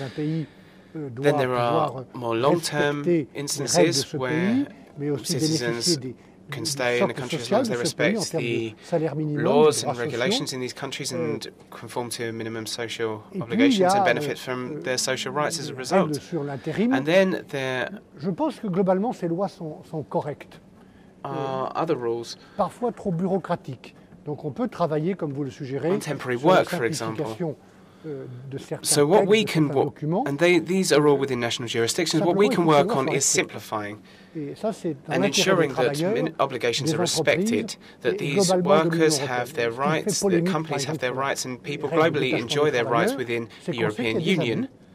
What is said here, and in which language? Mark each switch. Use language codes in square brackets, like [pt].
[en] Then there are more long-term instances where citizens can stay in a country as long as they respect the laws and regulations in these countries and conform to minimum social obligations and benefit from their social rights as a result. And then there [fr] je pense que globalement ces lois sont correctes. [en] Other rules [fr] parfois trop bureaucratiques. Donc on peut travailler comme vous le suggérez [en] on temporary work, for example. So what we can work, and these are all within national jurisdictions, what we can work on is simplifying and ensuring that obligations are respected, that these workers have their rights, that companies have their rights, and people globally enjoy their rights within the European Union.